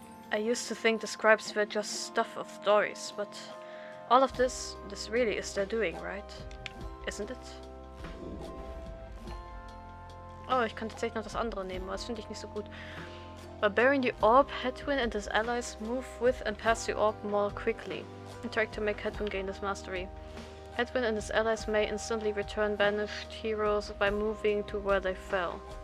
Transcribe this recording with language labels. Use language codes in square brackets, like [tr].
[en] I used to think the scribes were just stuff of stories, but all of this really is their doing, right? Isn't it? [de] Oh, ich könnte tatsächlich noch das andere nehmen, aber das finde ich nicht so gut. [en] Barbarian the Orb, Hedwyn and his allies move with and pass the orb more quickly. Interact to make Hedwyn gain his mastery. Hedwyn and his allies may instantly return banished heroes by moving to where they fell.